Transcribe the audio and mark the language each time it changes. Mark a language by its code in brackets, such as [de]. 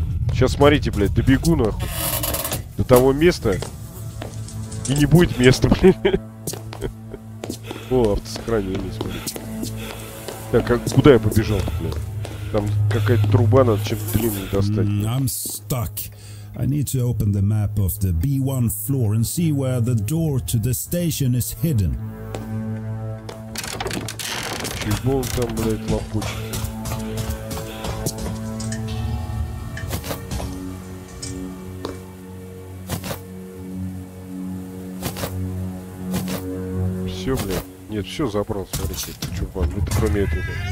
[ru] Сейчас смотрите, блядь, добегу нахуй до того места. И не будет места, блядь. О, автосохранение, смотрите. Так, как, куда я побежал, блядь? Там какая-то труба, надо чем-то длинным достать. [en] I'm stuck. I need to open the map of the B1 floor and see where the door to the station is hidden. [ru] Чего он там, блядь, лопочет? Все, блядь. Нет, все забрал, смотрите, чувак. Это кроме этого.